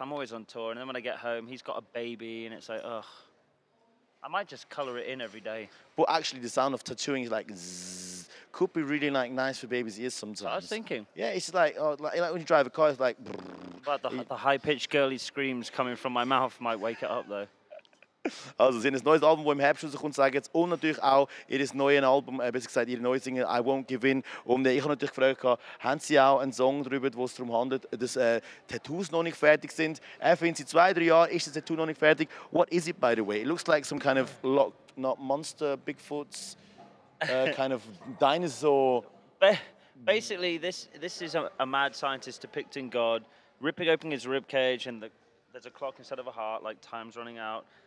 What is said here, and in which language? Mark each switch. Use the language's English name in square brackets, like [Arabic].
[English] I'm always on tour, and then when I get home, he's got a baby, and it's like, ugh. I might just colour it in every day. But actually, the sound of tattooing is like zzz. Could be really like nice for babies' ears sometimes. I was thinking. Yeah, it's like, oh, like when you drive a car, it's like. But the high-pitched girly screams coming from my mouth might wake it up, though. [German] Also, sie haben ein neues Album, das im Herbst rauskommt, sagen jetzt. Und natürlich auch ihr neues Album, besser gesagt, ihr neues Single, I Won't Give In. Und ich habe natürlich gefragt, haben sie auch einen Song darüber, wo es darum handelt, dass Tattoos noch nicht fertig sind? Er findet, sie 2, 3 Jahre ist das Tattoo noch nicht fertig. [English] What is it, by the way? It looks like some kind of Loch Ness Monster, Bigfoots, kind of dinosaur. Basically, this is a mad scientist depicting God ripping open his rib cage, and there's a clock instead of a heart, like time's running out.